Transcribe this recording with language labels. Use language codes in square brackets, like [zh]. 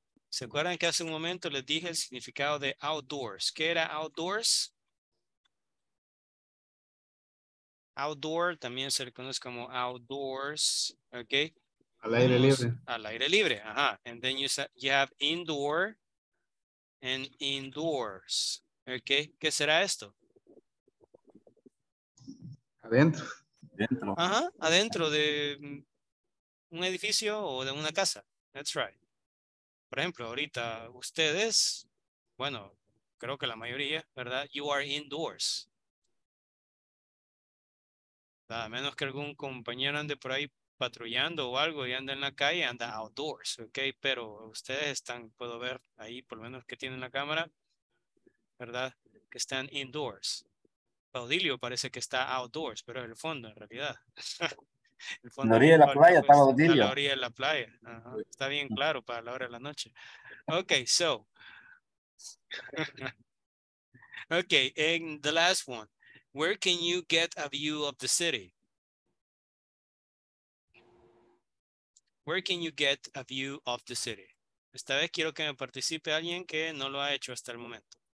[es] ¿Se acuerdan que hace un momento les dije el significado de outdoors? ¿Qué era outdoors? Outdoor, también se le conoce como outdoors, okay? Al aire libre. Al aire libre, ajá. [en] And then you have indoor and indoors, okay? [es] ¿Qué será esto? Adentro. Dentro. Ajá, adentro de un edificio o de una casa. [en] That's right. [es] Por ejemplo, ahorita ustedes, bueno, creo que la mayoría, ¿verdad? [en] You are indoors. [es] A menos que algún compañero ande por ahí patrullando o algo y anda en la calle, anda outdoors, ok, pero ustedes están, puedo ver ahí por lo menos que tienen la cámara, ¿verdad? Que están indoors. Baudilio parece que está outdoors, pero es el fondo en realidad. El fondo la orilla de la playa está Baudilio. La orilla de la playa, está bien claro para la hora de la noche. Ok, so, [en] Okay, and the last one. Where can you get a view of the city? Where can you get a view of the city? [es] Esta vez quiero que me participe alguien que no lo ha hecho hasta el momento.